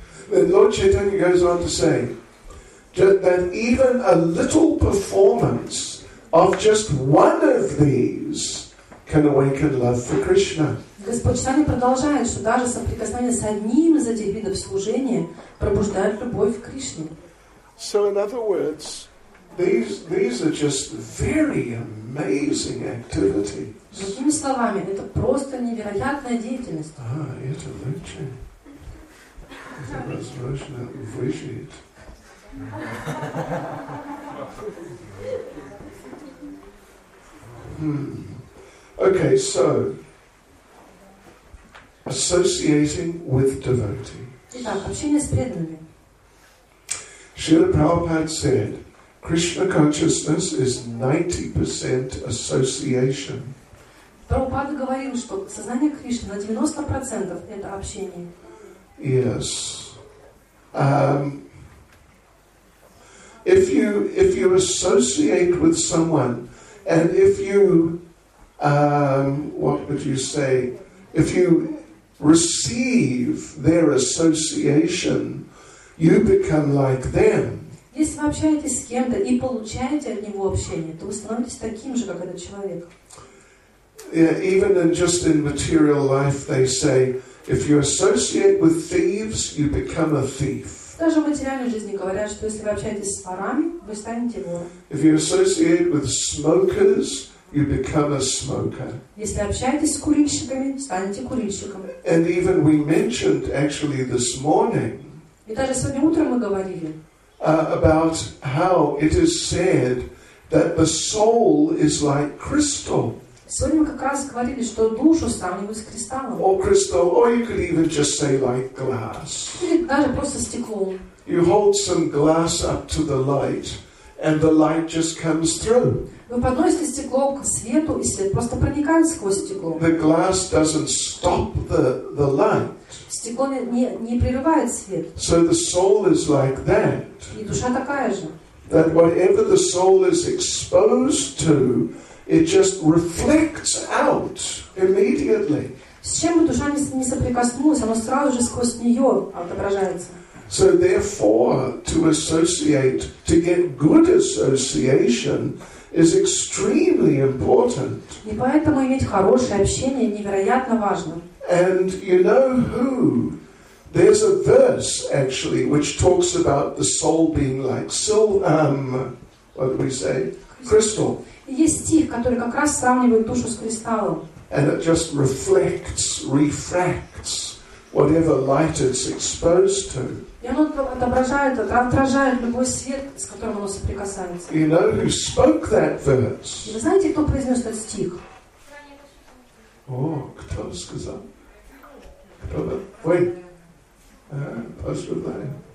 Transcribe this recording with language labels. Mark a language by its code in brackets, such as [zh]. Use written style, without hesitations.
[en] Then Lord Chaitanya goes on to say that even a little performance of just one of these can awaken love for Krishna. [ru] Господь Чайтанья продолжает, что даже соприкосновение с одним из этих видов служения пробуждает любовь к Кришне. [en] So in other words, these are just very amazing activities. [ru] Другими словами, это просто невероятная деятельность. А, это лучше. Это возможно выжить. [en] Okay, so associating with devotees. Srila Prabhupada said, Krishna consciousness is 90% association. Prabhupada говорил, что сознание Кришны на 90% это общение. Yes. If you associate with someone, and if you what would you say? If you receive their association, you become like them. [ru] Если вы общаетесь с кем-то и получаете от него общение, то вы становитесь таким же, как этот человек. [en] Yeah, even in just in material life, they say, if you associate with thieves, you become a thief. [ru] Даже в материальной жизни говорят, что если вы общаетесь с ворами, вы станете вором. [en] If you associate with smokers, you become a smoker. [ru] Если общаетесь с курильщиками, станете курильщиком. [en] And even we mentioned actually this morning. [ru] И даже сегодня утром мы говорили. [en] About how it is said that the soul is like crystal. [ru] Сегодня мы как раз говорили, что душу сравнивают с кристаллом. [en] Or crystal, or you could even just say like glass. [ru] Или даже просто стекло. [en] You hold some glass up to the light, and the light just comes through. [ru] Вы подносите стекло к свету, и свет просто проникает сквозь стекло. [en] The glass doesn't stop the light. [ru] Стекло не прерывает свет. [en] So the soul is like that. [ru] И душа такая же. [en] That whatever the soul is exposed to, it just reflects out immediately. [ru] С чем бы душа не соприкоснулась, оно сразу же сквозь нее отображается. [en] So therefore, to associate, to get good association, is extremely important. [ru] И поэтому иметь хорошее общение невероятно важно. [en] And you know who? There's a verse actually which talks about the soul being like silver. What do we say? Crystal. [ru] Есть стих, который как раз сравнивает душу с кристаллом. [en] And it just reflects, refracts whatever light it's exposed to. [ru] И оно отражает любой свет, с которым оно соприкасается. [en] You know who spoke that verse? [ru] И вы знаете, кто произнес этот стих? О, кто сказал? Кто был? Вы? Пожалуйста.